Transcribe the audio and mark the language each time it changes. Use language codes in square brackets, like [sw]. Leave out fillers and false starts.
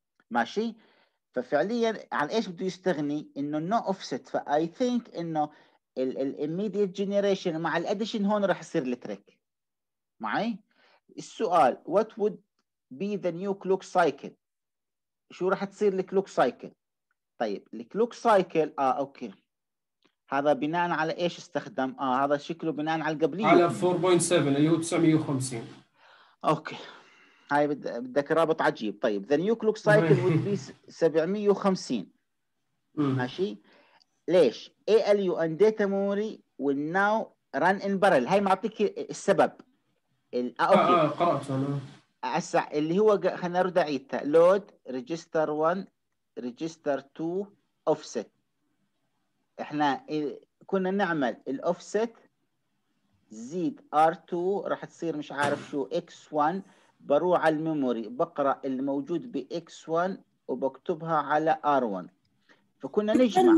[ar] ماشي ففعليا عن ايش بده يستغني انه no offset فاي ثينك انه الاميديت جينيريشن مع الاديشن هون رح يصير التريك معي السؤال [en] what would be the new clock cycle [ar] شو راح تصير الكلوك سايكل طيب الكلوك سايكل اوكي هذا بناء على ايش استخدم هذا شكله بناء على القبليه على 4.7 اللي هو 950 اوكي هاي بدك رابط عجيب طيب [en] the new clock cycle would be 750 [ar] ماشي ليش [en] ALU and data memory will now run in parallel [ar] هاي معطيك السبب اوكي قرأت انا أسع اللي هو خلينا نرد عيدها load register 1 register 2 offset احنا كنا نعمل الoffset زيد r2 راح تصير مش عارف شو x1 بروح على الميموري بقرا الموجود ب x1 وبكتبها على r1 فكنا نجمع